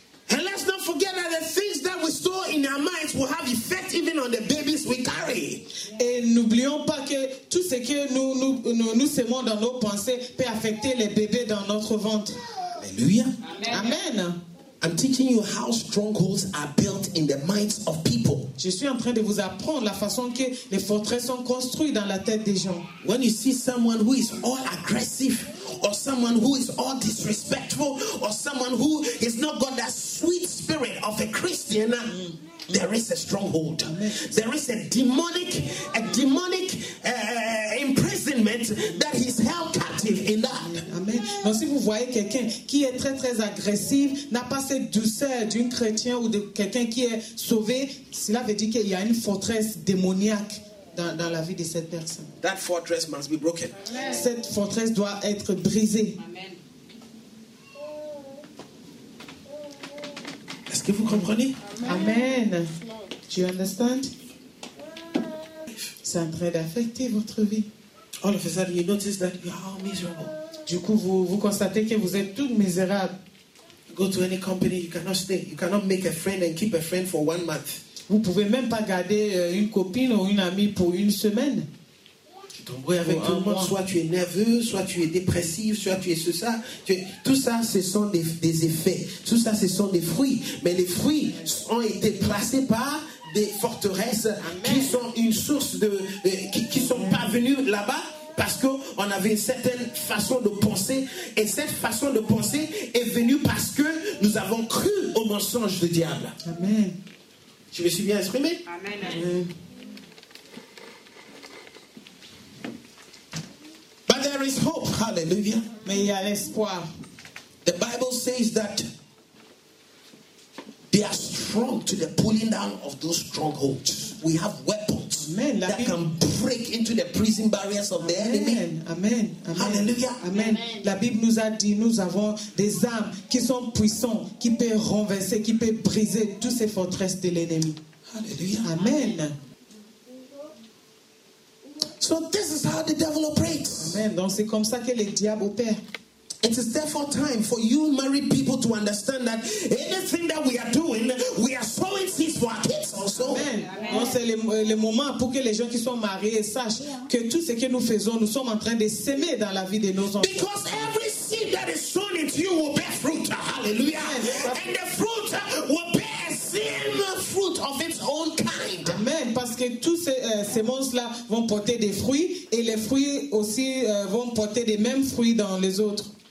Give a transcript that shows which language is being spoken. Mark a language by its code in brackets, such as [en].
[en] And let's not forget that the things that we store in our minds will have effect even on the babies we carry. [fr] Et n'oublions pas que tout ce que nous sémons dans nos pensées peut affecter les bébés dans notre ventre. Alléluia. Amen. [en] I'm teaching you how strongholds are built in the minds of people. [fr] Je suis en train de vous apprendre la façon que les forteresses sont construites dans la tête des gens. [en] When you see someone who is all aggressive, or someone who is all disrespectful, or someone who is not got that sweet spirit of a Christian, there is a stronghold. There is a demonic imprisonment that he's held captive in that. Amen. [fr] Donc si vous voyez quelqu'un qui est très très agressif, n'a pas cette douceur d'un chrétien ou de quelqu'un qui est sauvé, cela veut dire qu'il y a une forteresse démoniaque dans la vie de cette personne. [en] That fortress must be broken. [fr] Amen. Cette forteresse doit être brisée. Amen. Est-ce que vous comprenez? Amen. Je [en] you understand? [fr] C'est en train d'affecter votre vie. [en] All of a sudden, you notice that you are miserable. [fr] Du coup, vous constatez que vous êtes tout misérable. [en] Go to any company, you cannot stay. You cannot make a friend and keep a friend for 1 month. [fr] Vous pouvez même pas garder une copine ou une amie pour une semaine. Avec tout le monde, soit tu es nerveux, soit tu es dépressif, soit tu es ce ça. Tout ça, ce sont des effets. Tout ça, ce sont des fruits. Mais les fruits ont été placés par des forteresses. Amen. Qui sont une source de. Qui sont parvenues là-bas parce qu'on avait une certaine façon de penser. Et cette façon de penser est venue parce que nous avons cru au mensonge du diable. Amen. Je me suis bien exprimé. Amen. [en] But there is hope. Hallelujah. [fr] Mais il y a l'espoir. [en] The Bible says that they are strong to the pulling down of those strongholds. We have weapons. Amen. That can break into the prison barriers of Amen. The enemy. Amen. Amen. Hallelujah. Amen. Amen. [fr] La Bible nous a dit nous avons des armes qui sont puissantes, qui peuvent renverser, qui peuvent briser toutes ces forteresses de l'ennemi. Hallelujah. Amen. Amen. [en] So this is how the devil operates. Amen. [fr] Donc c'est comme ça que le diable opère. [en] It is therefore time for you married people to understand that anything that we are doing, we are sowing seeds for our kids also. Amen. Amen. [fr] Donc c'est le moment pour que les gens qui sont mariés sachent que tout ce que nous faisons, nous sommes en train de semer dans la vie de nos enfants. [en] Because every seed that is sown into you will bear fruit. Hallelujah. Amen. And the fruit will bear same fruit of its own kind. Amen. [fr] Parce que tous ces monstres-là vont porter des fruits et les fruits aussi vont porter des mêmes fruits dans les autres.